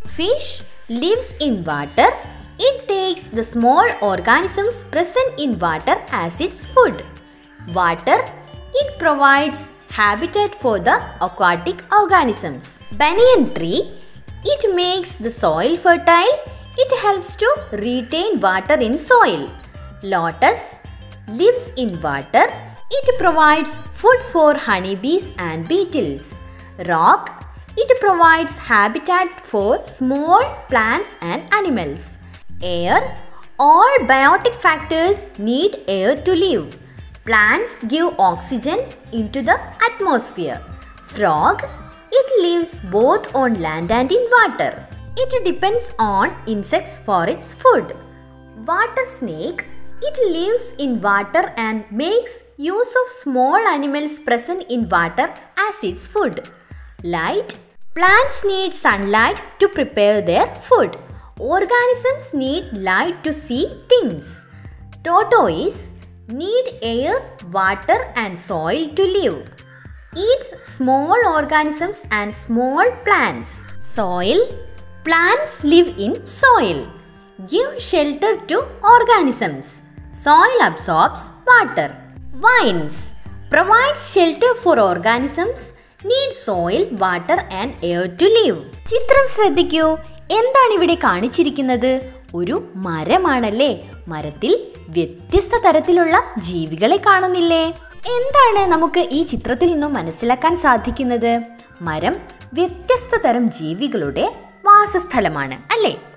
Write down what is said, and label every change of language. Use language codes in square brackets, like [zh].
[en] Fish lives in water. It takes the small organisms present in water as its food. Water it provides habitat for the aquatic organisms. Banyan tree it makes the soil fertile. It helps to retain water in soil. Lotus lives in water. It provides food for honeybees and beetles. Rock it provides habitat for small plants and animals. Air all biotic factors need air to live. Plants give oxygen into the atmosphere. Frog it lives both on land and in water. It depends on insects for its food. Water snake it lives in water and makes use of small animals present in water as its food. Light: plants need sunlight to prepare their food. Organisms need light to see things. Tortoise need air, water and soil to live. Eats small organisms and small plants. Soil: plants live in soil. Give shelter to organisms. Soil absorbs water. Vines: provides shelter for organisms. Need soil, water and air to live. [ml] ചിത്രം ശ്രദ്ധിക്കൂ, എന്താണ് ഇവിടെ കാണിച്ചിരിക്കുന്നത്? ഒരു മരമാണല്ലേ. മരത്തിൽ വ്യത്യസ്ത തരത്തിലുള്ള ജീവികളെ കാണുന്നില്ലേ? എന്താണ് നമുക്ക് ഈ ചിത്രത്തിൽ നിന്നും മനസ്സിലാക്കാൻ സാധിക്കുന്നത്? മരം വ്യത്യസ്ത തരം ജീവികളുടെ വാസസ്ഥലമാണ് അല്ലേ?